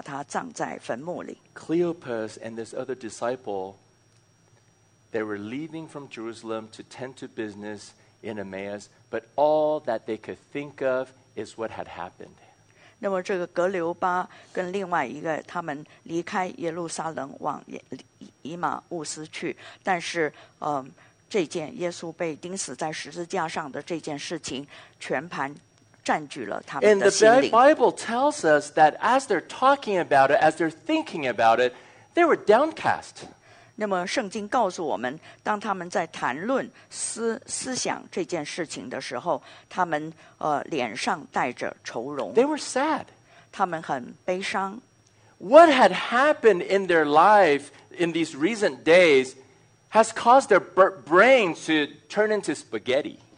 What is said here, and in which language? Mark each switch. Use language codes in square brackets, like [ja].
[zh] 约瑟跟尼哥底母他们爱耶稣基督，他们领了耶稣的尸体，然后把他葬在坟墓里。Cleopas [en] and this other disciple, they were leaving from Jerusalem to tend to business in Emmaus, but all that they could think of is what had happened. [zh] 那么这个格留巴跟另外一个，他们离开耶路撒冷往以马忤斯去，但是 这件耶稣被钉死在十字架上的这件事情，全盘占据了他们的心灵。 [en] And the Bible tells us that as they're talking about it, as they're thinking about it, they were downcast. [zh] 那么圣经告诉我们，当他们在谈论思想这件事情的时候，他们脸上带着愁容。 [en] They were sad. [zh] 他们很悲伤。 [en] What had happened in their life in these recent days has caused their brain to turn into spaghetti.